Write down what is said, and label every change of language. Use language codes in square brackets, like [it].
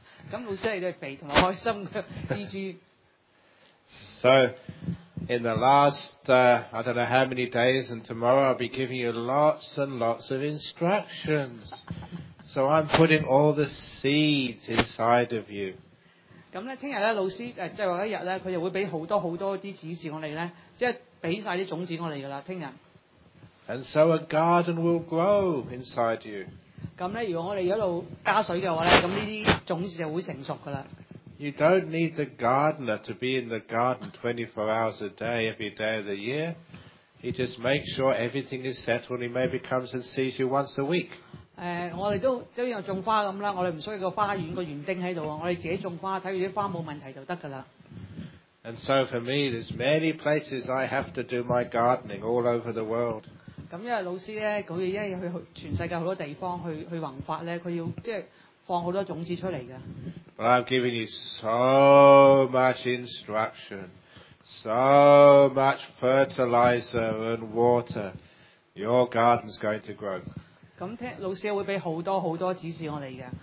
[yue] 咁老師你都係肥同埋開心嘅蜘蛛。 [en] So. In the last, I don't know how many days, and tomorrow I'll be giving you lots and lots of instructions. So I'm putting all the seeds inside of you. [yue] 咁咧，聽日咧，老師即係話一日咧，佢就會俾好多好多啲指示我哋咧，即係俾曬啲種子我哋噶啦，聽日。 [en] And so a garden will grow inside you. [yue] 咁咧，如果我哋一路加水嘅話咧，咁呢啲種子就會成熟噶啦。 [en] You don't need the gardener to be in the garden 24 hours a day, every day of the year. He just makes sure everything is settled. He maybe comes and sees you once a week. [yue] 我哋都有種花咁啦，我哋唔需要個花園個園丁喺度，我哋自己種花，睇住啲花冇問題就得噶啦。 [en] And so for me, there's many places I have to do my gardening all over the world. [yue] 咁因為老師咧，佢因為去全世界好多地方去宏發咧，佢要即係放好多種子出嚟噶。 [en] But I've given you so much instruction, so much fertilizer and water. Your garden's going to grow. [yue] 咁聽老師會俾好多好多指示我哋嘅。